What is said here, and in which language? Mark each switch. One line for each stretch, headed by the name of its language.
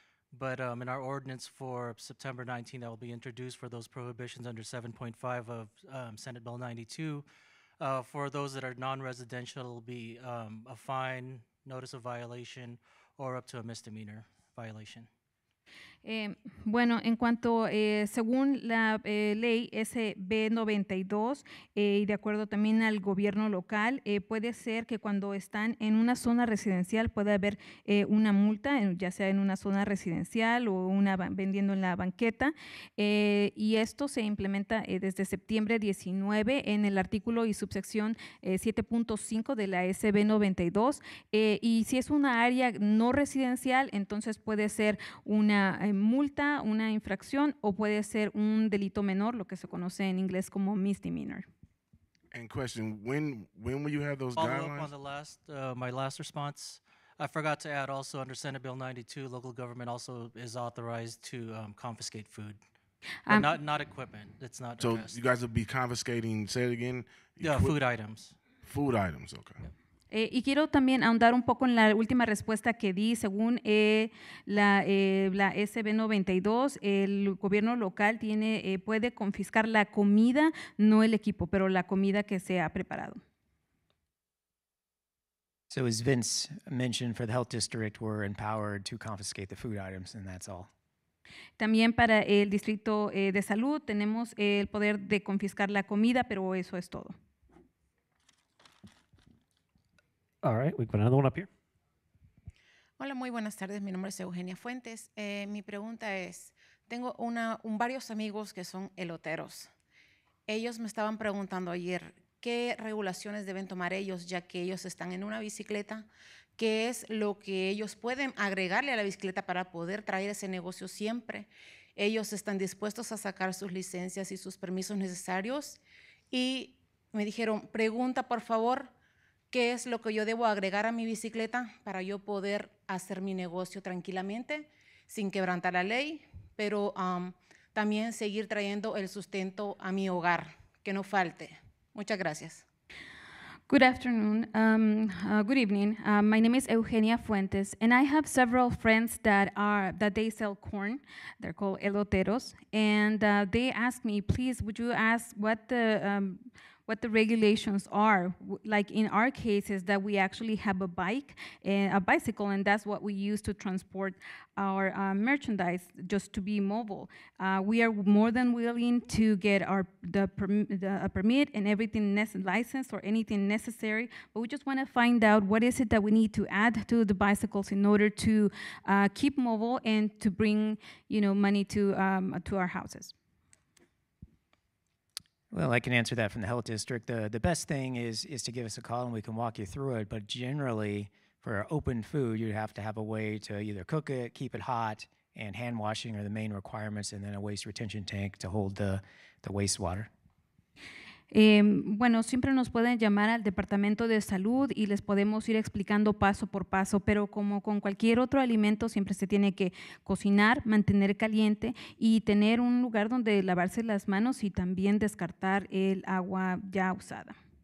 English: But in our ordinance for September 19 that will be introduced for those prohibitions under 7.5 of Senate Bill 92, for those that are non-residential, it will be a fine, notice of violation, or up to a misdemeanor violation.
Spanish: Bueno, en cuanto, según la ley SB92 y de acuerdo también al gobierno local, puede ser que cuando están en una zona residencial puede haber una multa, ya sea en una zona residencial o una vendiendo en la banqueta, y esto se implementa desde septiembre 19 en el artículo y subsección 7.5 de la SB92, y si es una área no residencial, entonces puede ser una multa, una infracción, o puede ser un delito menor, lo que se conoce en inglés como misdemeanor.
English: And question, when will you have those guidelines? Follow up on the last, my last response. I forgot to add also under Senate Bill 92, local government also is authorized to confiscate food. Not equipment, it's not so addressed. You guys will be confiscating, say it again? Yeah, food items. Food items, okay. Yep.
Spanish: Y quiero también ahondar un poco en la última respuesta que di. Según la SB92, el gobierno local puede confiscar la comida, no el equipo, pero la comida que se ha preparado.
English: So as Vince mentioned, for the health district, we're empowered to confiscate the food items, and that's all.
Spanish: También para el distrito de salud tenemos el poder de confiscar la comida, pero eso es todo.
English: All right, we've got another one up here.
Spanish: Hola, muy buenas tardes. Mi nombre es Eugenia Fuentes. Mi pregunta es, tengo varios amigos que son eloteros. Ellos me estaban preguntando ayer qué regulaciones deben tomar ellos, ya que ellos están en una bicicleta. ¿Qué es lo que ellos pueden agregarle a la bicicleta para poder traer ese negocio siempre? Ellos están dispuestos a sacar sus licencias y sus permisos necesarios. Y me dijeron, pregunta, por favor, ¿qué es lo que yo debo agregar a mi bicicleta para yo poder hacer mi negocio tranquilamente, sin quebrantar la ley, pero también seguir trayendo el sustento a mi hogar, que no falte? Muchas gracias.
English: Good afternoon. Good evening. My name is Eugenia Fuentes, and I have several friends that sell corn. They're called eloteros. And they ask me, please, would you ask what the what the regulations are. Like in our case is that we actually have a bike, a bicycle, and that's what we use to transport our merchandise, just to be mobile. We are more than willing to get our a permit and everything licensed or anything necessary, but we just want to find out what is it that we need to add to the bicycles in order to keep mobile and to bring, you know, money to our houses. Well, I can answer that from the health district. The best thing is to give us a call and we can walk you through it, but generally, for open food, you'd have to have a way to either cook it, keep it hot, and hand washing are the main requirements, and then a waste retention tank to hold the wastewater.
Spanish: Bueno, siempre nos pueden llamar al Departamento de Salud y les podemos ir explicando paso por paso, pero como con cualquier otro alimento, siempre se tiene que cocinar, mantener caliente y tener un lugar donde lavarse las manos y también descartar el agua ya usada.